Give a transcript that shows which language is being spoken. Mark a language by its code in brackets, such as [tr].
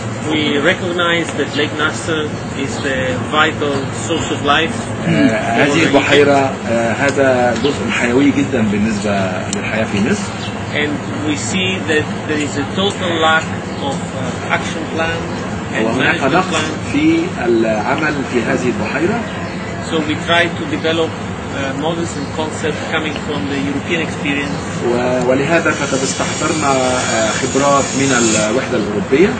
[en] We recognize that Lake Nasser is the vital source of life. [ar] هذه البحيرة هذا جزء حيوي جدا بالنسبة للحياة في مصر. [en] And we see that there is a total lack of action plan and management plan. [ar] في العمل في هذه البحيرة. [en] So we try to develop models and concepts coming from the European experience. [ar] ولهذا فقد استحضرنا خبرات من الوحدة الأوروبية.